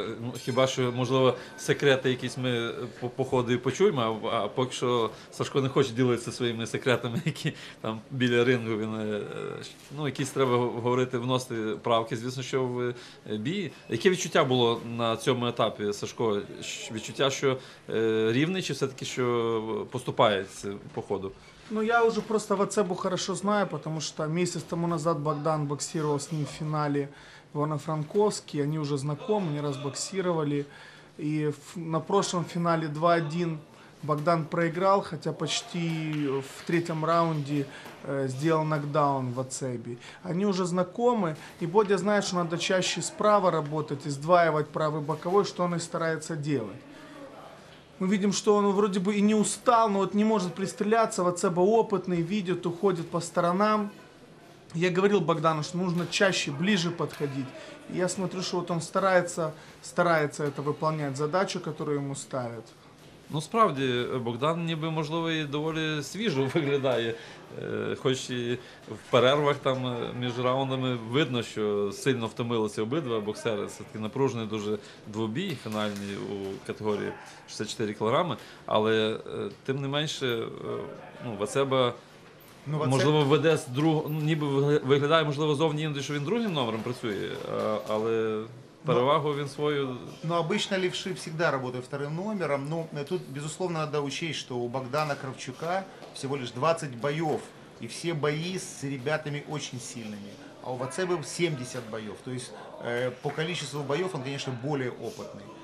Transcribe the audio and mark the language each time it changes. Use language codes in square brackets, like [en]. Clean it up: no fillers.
[uk] Ну, хіба що, можливо, секрети якісь ми по ходу і почуємо, а поки що Сашко не хоче ділитися своїми секретами, які там біля рингу він, ну, якісь треба говорити, вносити правки, звісно, що в бій. Яке відчуття було на цьому етапі, Сашко? Відчуття, що рівний чи все-таки що поступається по ходу? [ru] Ну, я уже просто Вацебу хорошо знаю, потому что месяц тому назад Богдан боксировал с ним в финале в Івано-Франковске. Они уже знакомы, не раз боксировали. И на прошлом финале 2-1 Богдан проиграл, хотя почти в третьем раунде сделал нокдаун в Вацебе. Они уже знакомы. И Бодя знает, что надо чаще справа работать и сдваивать правый боковой, что он и старается делать. Мы видим, что он вроде бы и не устал, но вот не может пристреляться. Вацеба опытный, видит, уходит по сторонам. Я говорил Богдану, что нужно чаще, ближе подходить. И я смотрю, что вот он старается это выполнять, задачу, которую ему ставят. [uk] Ну, справді, Богдан, ніби, можливо, і доволі свіжо виглядає. Хоч і в перервах там між раундами видно, що сильно втомилися обидва боксери. Це такий напружений дуже двобій фінальний у категорії 64 кілограми. Але тим не менше, ну, Вацеба, ну, можливо, веде з другого, ніби виглядає, можливо, зовні іноді, що він другим номером працює, але перевагу він свою. [ru] Ну, обычно левши всегда работают вторым номером. Ну, тут, безусловно, надо учесть, что у Богдана Кравчука всего лишь 20 боев. И все бои с ребятами очень сильными. А у Вацебы 70 боев. То есть по количеству боев он, конечно, более опытный.